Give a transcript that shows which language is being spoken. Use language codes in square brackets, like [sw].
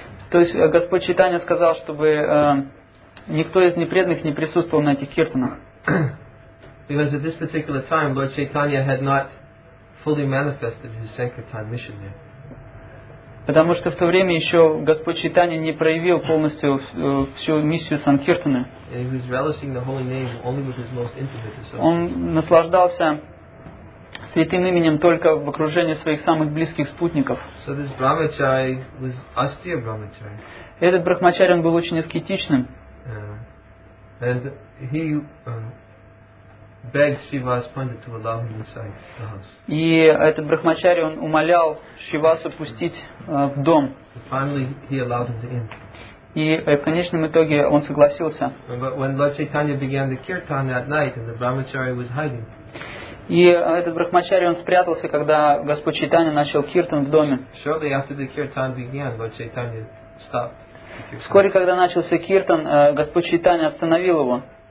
[ru] То есть Господь Чайтанья сказал, чтобы никто из непреданных не присутствовал на этих киртанах. [en] Because at this particular time, Lord Chaitanya had not fully manifested his sankirtan mission yet. [ru] Потому что в то время еще Господь Чайтанья не проявил полностью всю миссию санкиртаны. [en] And he was relishing the holy name only with his most intimate associates. [ru] Он наслаждался святым именем только в окружении своих самых близких спутников. [en] So this brahmachari was austere brahmachari. [ru] Этот брахмачарь, он был очень аскетичным. [en] And he begged Shiva's Pandit to allow him inside the house. [ru] И этот брахмачари, он умолял Шивасу пустить в дом. [en] And finally, he allowed him to in. [ru] И в конечном итоге он согласился. [en] But when Lord Chaitanya began the kirtan that night, and the brahmachari was hiding. [ru] И этот брахмачари, он спрятался, когда Господь Чайтанья начал киртан в доме. [en] Shortly after the kirtan began, Lord Chaitanya stopped. [ru] Вскоре, когда начался киртан, Господь Чайтанья остановил его.